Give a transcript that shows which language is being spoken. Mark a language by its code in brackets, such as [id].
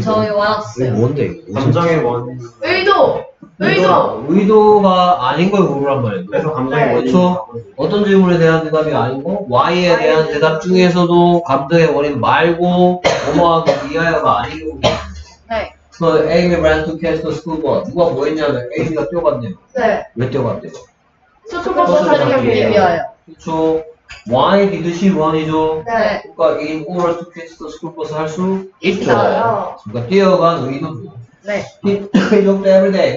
[ko] 저 이거 알았어요. 이게 뭔데 이거 감정의 원 의도! 의도! 의도가 아닌 걸 고르란 말이에요. 그래서 감정의 네. 원인 어떤 질문에 대한 대답이 아니고 why에 대한 대답 중에서도 감정의 원인 말고 어머하고 미아야가 아닌 거고 네. [en] So Amy ran to catch the school bus. [ko] 누가 뭐 했냐면 Amy가 뛰어갔네요. 네. 왜 뛰어갔대요? 스쿨버스 타기 위하여. 그렇죠. [en] Why did she run이죠? [ko] 네. [en] 그러니까 in order to catch the school bus [ko] 할 수 있어요. 그러니까 뛰어간 의도. 네. [en] He jumped every day.